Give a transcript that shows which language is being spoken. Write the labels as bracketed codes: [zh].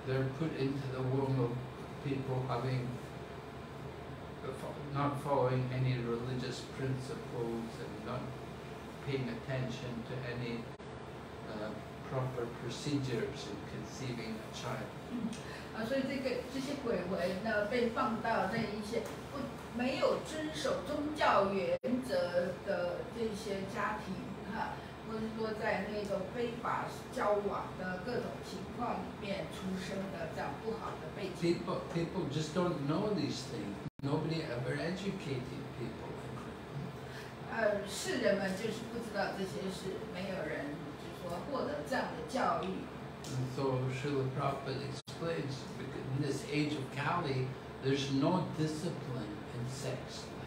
[en] They're put into the womb of people having not following any religious principles and not paying attention to any proper procedures in conceiving a child. [zh] 所以这些鬼魂呢，被放到那一些没有遵守宗教原则的这些家庭，或者说在那种非法交往的各种情况里面出生的这样不好的背景。 [en] People just don't know these things. Nobody ever educated people. [zh] 世人们就是不知道这些事，没有人。 [en] And so Srila Prabhupada explains, because in this age of Kali, there's no discipline in sex